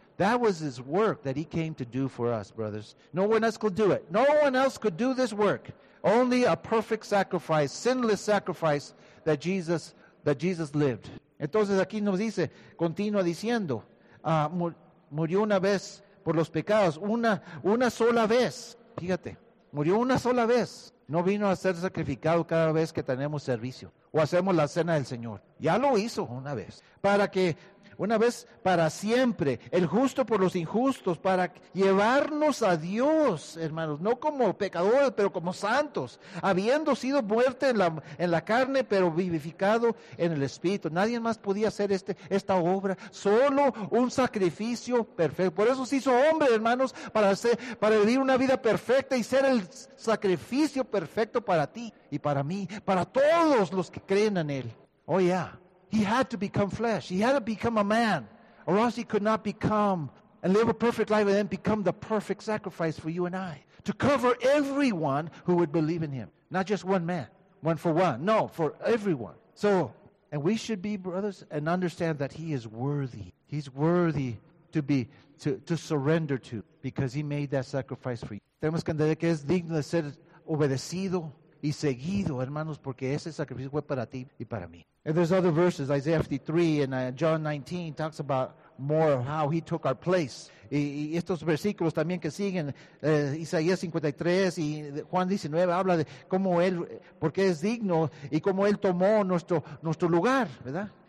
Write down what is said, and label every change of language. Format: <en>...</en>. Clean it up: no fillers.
<en>That was his work that he came to do for us, brothers. No one else could do it. No one else could do this work. Only a perfect sacrifice, sinless sacrifice that Jesus lived.</en> <es>Entonces aquí nos dice, continúa diciendo, murió una vez por los pecados, una sola vez. Fíjate, murió una sola vez. No vino a ser sacrificado cada vez que tenemos servicio o hacemos la cena del Señor. Ya lo hizo una vez. Para que, una vez para siempre, el justo por los injustos, para llevarnos a Dios, hermanos, no como pecadores, pero como santos, habiendo sido muerto en la carne, pero vivificado en el Espíritu. Nadie más podía hacer esta obra, solo un sacrificio perfecto. Por eso se hizo hombre, hermanos, para vivir una vida perfecta y ser el sacrificio perfecto para ti y para mí, para todos los que creen en Él.</es> <en>Oh, ya. Yeah. He had to become flesh. He had to become a man. Or else he could not become and live a perfect life and then become the perfect sacrifice for you and I. To cover everyone who would believe in him. Not just one man. One for one. No, for everyone. So, and we should be brothers and understand that he is worthy. He's worthy to surrender to because he made that sacrifice for you.</en> <es>Tenemos que entender que es digno de ser obedecido y seguido, hermanos, porque ese sacrificio fue para ti y para mí.</es> <en>And there's other verses, Isaiah 53 and John 19 talks about more of how he took our place.</en> <es>Y estos versículos también que siguen, Isaías 53 y Juan 19, habla de cómo él, porque es digno, y cómo él tomó nuestro lugar, ¿verdad?</es>